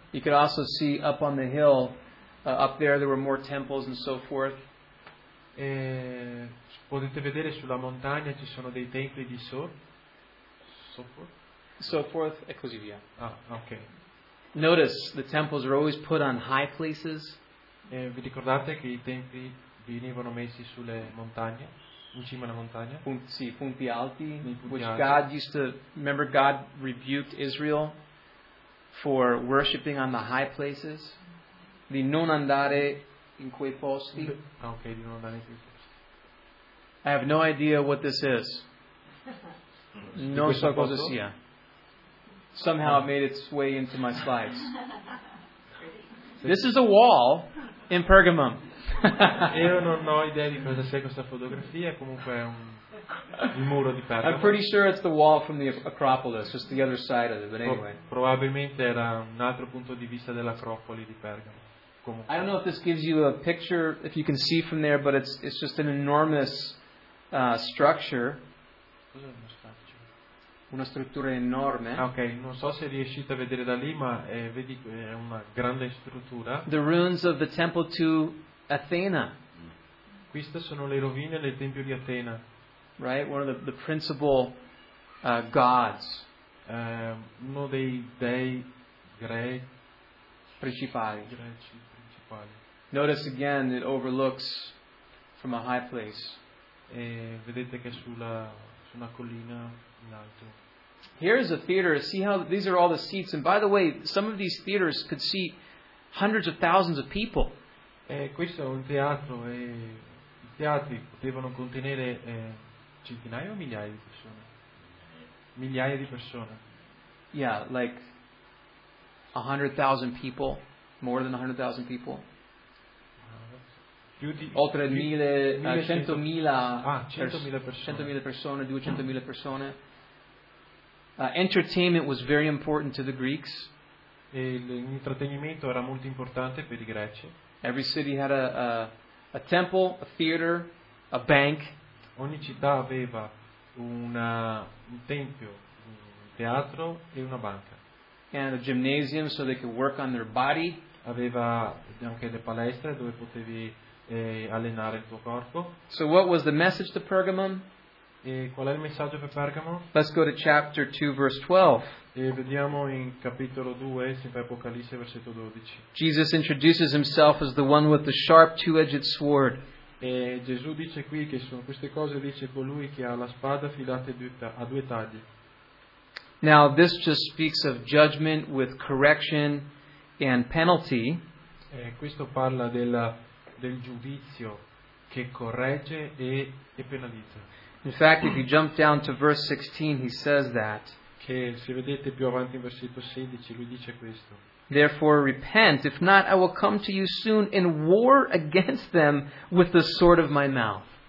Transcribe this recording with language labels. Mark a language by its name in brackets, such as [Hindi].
[English] You could also see up on the hill, up there, there were more temples and so forth. [Italian] E potete vedere sulla montagna ci sono dei templi di [English] so forth [Italian] e così via. Ah, okay. [English] Notice the temples were always put on high places. [Italian] E vi ricordate che i templi venivano messi sulle montagne? In cima alla montagna. Punti alti, [English] God used to, remember God rebuked Israel for worshiping on the high places, [Italian] di non andare in quei posti. Okay, di non andare in quei posti. [English] I have no idea what this is. [Italian] Non so cosa sia. [English] Somehow it made its way into my slides. This is a wall in Pergamum. [Italian] Io non ho idea di cosa sia questa fotografia, comunque è il muro di Pergamo. [English] I'm pretty sure it's the wall from the Acropolis, just the other side of it, but anyway. [Italian] Probabilmente era un altro punto di vista dell'Acropoli di Pergamo. Comunque. [English] I don't know if this gives you a picture, if you can see from there, but it's just an enormous structure. [Italian] Cos'è una structure? Una struttura enorme. Ok, non so se riuscite a vedere da lì, ma vedi, è una grande struttura. [English] The ruins of the temple to Athena. [Italian] Queste sono le rovine del tempio di Atena. [English] Right, one of the principal gods. [Italian] Uno dei dei grei principali. Greci principali. [English] Notice again, it overlooks from a high place. [Italian] E vedete che su una collina in alto. [English] Here is a theater. See how these are all the seats. And by the way, some of these theaters could seat hundreds of thousands of people. [Italian] Questo è un teatro e i teatri potevano contenere centinaia o migliaia di persone. Migliaia di persone. [English] Yeah, like 100,000 people, more than 100,000 people. [Italian] Oltre 100,000 persone, 200,000 persone. [English] Entertainment was very important to the Greeks. [Italian] L'intrattenimento era molto importante per i greci. [English] Every city had a temple, a theater, a bank. [Italian] Ogni città aveva un tempio, un teatro e una banca. [English] And a gymnasium so they could work on their body. [Italian] Aveva anche le palestre dove potevi allenare il tuo corpo. [English] So what was the message to Pergamum? [Italian] E qual è il messaggio per Pergamo? [English] Let's go to chapter 2, verse 12. [Italian] E vediamo in capitolo 2, sempre Apocalisse, versetto 12. [English] Jesus introduces himself as the one with the sharp two-edged sword. [Italian] E Gesù dice qui che sono queste cose, dice colui che ha la spada filata a due tagli. [English] Now this just speaks of judgment with correction and penalty. [Italian] E questo parla del giudizio che corregge e penalizza. [English] In fact, if you jump down to verse 16, he says that. [Italian] Che se vedete più avanti in versetto 16, lui dice questo. [English] Therefore, repent. If not, I will come to you soon in war against them with the sword of my mouth.